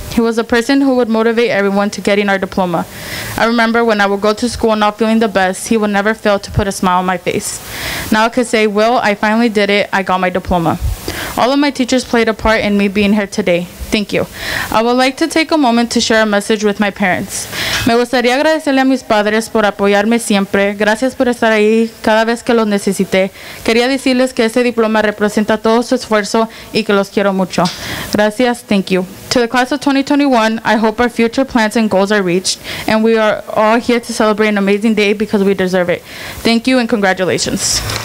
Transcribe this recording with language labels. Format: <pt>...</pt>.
<en>He was a person who would motivate everyone to getting our diploma. I remember when I would go to school not feeling the best, he would never fail to put a smile on my face. Now I could say, Will, I finally did it. I got my diploma. All of my teachers played a part in me being here today. Thank you. I would like to take a moment to share a message with my parents.</en> <es>Me gustaría agradecerle a mis padres por apoyarme siempre. Gracias por estar ahí cada vez que los necesité. Quería decirles que ese diploma representa todo su esfuerzo y que los quiero mucho. Gracias.</es> <en>Thank you. To the class of 2021, I hope our future plans and goals are reached, and we are all here to celebrate an amazing day because we deserve it. Thank you and congratulations.</en>